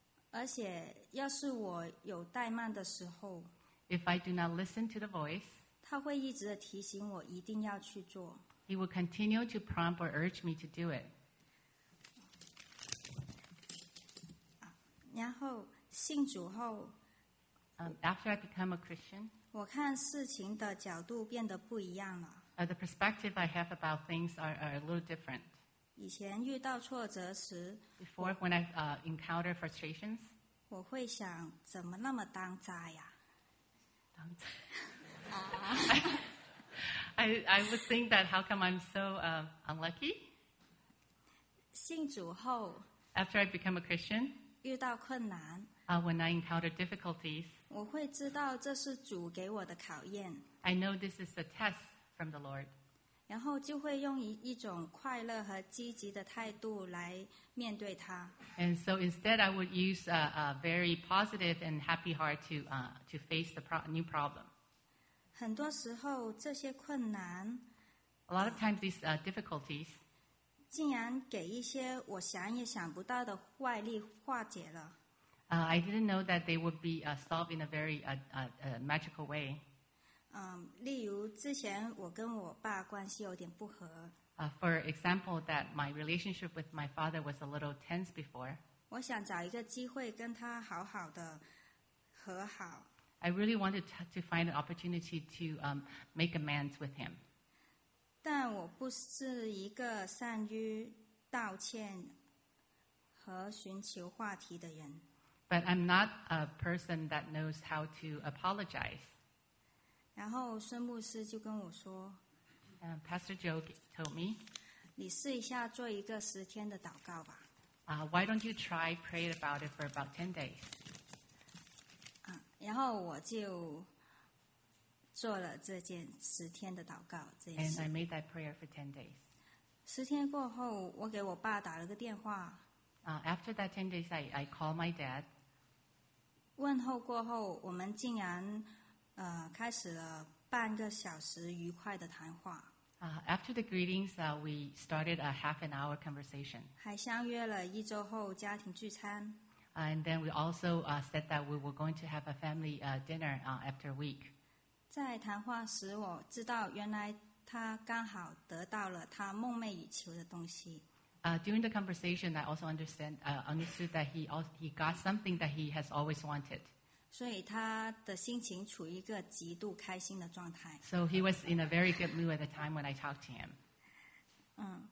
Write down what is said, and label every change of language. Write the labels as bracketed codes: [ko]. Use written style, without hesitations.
[zh] 而且要是我有怠慢的时候， [en] If I do not listen to the voice, [zh] 他会一直提醒我一定要去做。 [en] He will continue to prompt or urge me to do it. [zh] 然后信主后， [en] After I become a Christian, [zh] 我看事情的角度变得不一样了。 [en] The perspective I have about things are a little different. [zh] 以前遇到挫折时， [en] Before when I encounter frustrations, [zh] 我会想怎么那么当灾呀？当灾。 [en] I would think that how come I'm so unlucky? [zh] 信主后， [en] After I become a Christian, [zh] 遇到困难， [en] When I encounter difficulties, [zh] 我会知道这是主给我的考验。 [en] I know this is a test from the Lord. [zh] 然后就会用一种快乐和积极的态度来面对它。 [en] And so instead, I would use a very positive and happy heart to face the new problem. [zh] 很多时候这些困难， [en] A lot of times these difficulties, [zh] 竟然给一些我想也想不到的外力化解了。 [en] I didn't know that they would be solved in a very magical way. [zh] 例如之前我跟我爸关系有点不和。 [en] For example, that my relationship with my father was a little tense before. [zh] 我想找一个机会跟他好好的和好。 [en] I really wanted to find an opportunity to make amends with him. [zh] 但我不是一个善于道歉和寻求话题的人。 [en] But I'm not a person that knows how to apologize. [zh] 然后孙牧师就跟我说 [en] Pastor Joe told me, [zh] 你试一下做一个十天的祷告吧。 [en] Why don't you try pray about it for about 10 days? [zh] 然后我就做了这件十天的祷告。 [en] And I made that prayer for 10 days. [zh] 十天过后我给我爸打了个电话。 [en] After that 10 days, I called my dad. [zh] 问候过后我们竟然开始了半个小时愉快的谈话。 [en] After the greetings, we started a half an hour conversation. [zh] 还相约了一周后家庭聚餐。 [en] And then we also said that we were going to have a family dinner after a week. [zh] 在谈话时，我知道原来他刚好得到了他梦寐以求的东西。 [en] During the conversation, I also understood that he got something that he has always wanted. [zh] 所以他的心情处于一个极度开心的状态。 [en] So he was in a very good mood at the time when I talked to him.